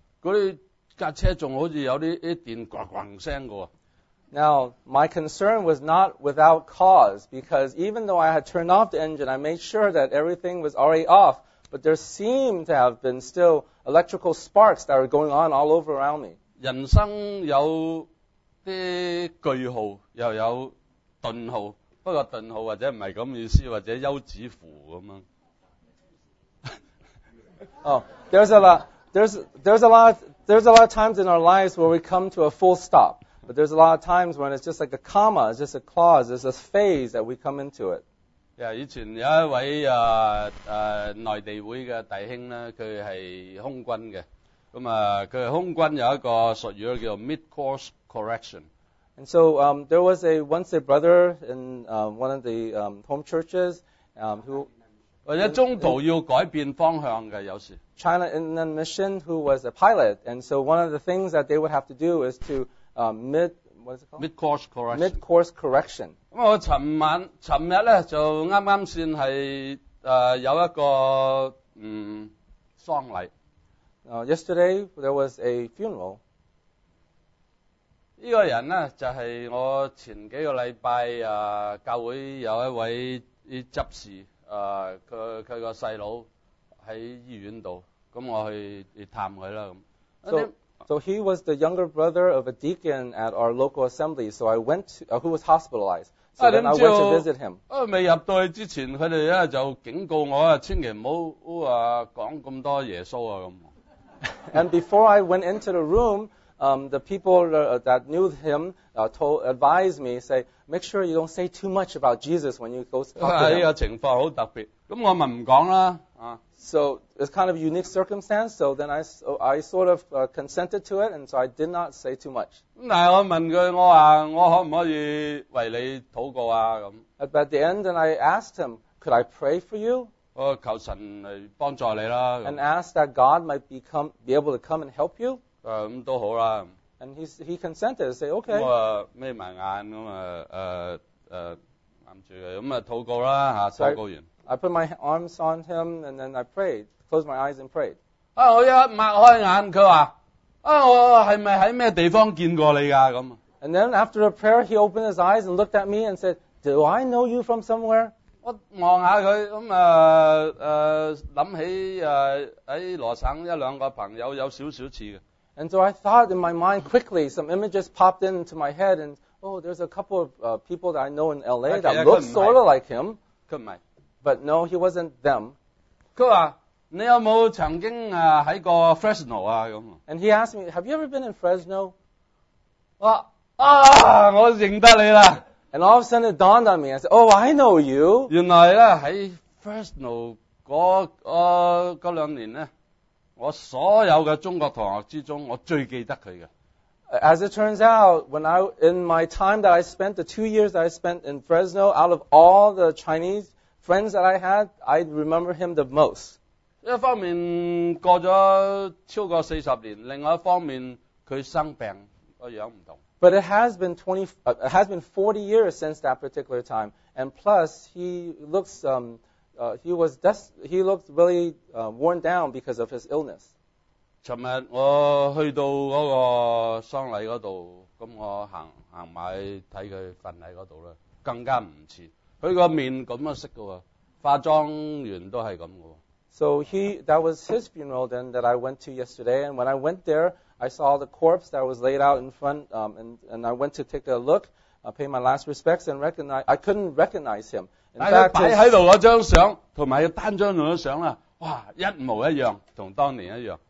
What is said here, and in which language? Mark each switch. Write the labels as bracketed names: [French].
[Cantonese] 嗰啲架车仲好似有啲电呱呱声嘅。 [English] Now, my concern was not without cause, because even though I had turned off the engine, I made sure that everything was already off, but there seemed to have been still electrical sparks that were going on all over around me. [Cantonese] 人生有啲句号，又有顿号，不过顿号或者唔系咁意思，或者休止符咁样。 [English] there's a lot of times in our lives where we come to a full stop. But there's a lot of times when it's just like a comma, it's just a clause, it's a phase that we come into it. [Cantonese] Yeah, 以前有一位內地會的弟兄呢，他是空軍的。咁啊，佢空軍有一個術語叫 [English] mid course correction。 And so there was once a brother in one of the home churches who [Cantonese] 或者中途要改變方向嘅有時。 [English] China Inland Mission who was a pilot, and so one of the things that they would have to do is to mid course correction. [Cantonese] 咁我尋日咧就啱啱先係有一個喪禮。 [English] Yesterday there was a funeral. [Cantonese] 呢個人咧就係我前幾個禮拜教會有一位執事佢個細佬喺醫院度，咁我去探佢啦咁。 [English] So he was the younger brother of a deacon at our local assembly. So I went to, who was hospitalized. So then I went to visit him. [Cantonese] 未入到去之前，佢哋就警告我啊，千祈唔好講咁多耶穌啊咁。 [English] And before I went into the room, the people that knew him advised me, say, make sure you don't say too much about Jesus when you go talk to him. [Cantonese] 呢個情況好特別，咁我咪唔講啦。 [English] So it's kind of a unique circumstance, so then I sort of consented to it, and so I did not say too much. [Cantonese] 但我問佢，我話我可唔可以為你禱告啊？咁。 [English] At the end, then I asked him, could I pray for you? [Cantonese] 我求神嚟幫助你啦。 [English] And asked that God might be able to come and help you. [Cantonese] 咁都好啦。 [English] And he consented, say, okay. [Cantonese] 我眯埋眼咁啊，攬住佢，咁啊禱告啦嚇，禱告完。 [English] I put my arms on him and then I prayed, closed my eyes and prayed. [Cantonese] 我一擘開眼，佢話：我係咪喺咩地方見過你㗎？咁。 [English] And then after the prayer, he opened his eyes and looked at me and said, "Do I know you from somewhere?" [Cantonese] 我望下佢，咁諗起喺羅省一兩個朋友有少少似嘅。 [English] And so I thought in my mind quickly, some images popped into my head, and oh, there's a couple of people that I know in LA that look sort of like him. [Cantonese] 佢唔係。 [English] But no, he wasn't them. [Cantonese] 佢話：你有冇曾經喺過 Fresno 啊？咁。 [English] And he asked me, "Have you ever been in Fresno?" [Cantonese] 我我認得你啦。 [English] And all of a sudden it dawned on me. I said, "Oh, I know you." [Cantonese] 原來咧喺 Fresno 嗰兩年咧，我所有嘅中國同學之中，我最記得佢嘅。 [English] As it turns out, in my time that I spent, the 2 years that I spent in Fresno, out of all the Chinese friends that I had, I remember him the most. [Cantonese] 一方面過咗超過40年，另外一方面佢生病個樣唔同。 [English] But it has been 40 years since that particular time, and plus he looked really worn down because of his illness. [Cantonese] 昨日我去到嗰個喪禮嗰度，咁我行埋睇佢墳禮嗰度啦，更加唔似。佢個面咁嘅色嘅喎，化妝完都係咁嘅。 [English] So that was his funeral then that I went to yesterday, and when I went there, I saw the corpse that was laid out in front, and I went to take a look, pay my last respects, and I couldn't recognize him. In fact, [Cantonese] 擺喺度嗰張相，同埋佢單張嗰張相啦，哇，一模一樣，同當年一樣。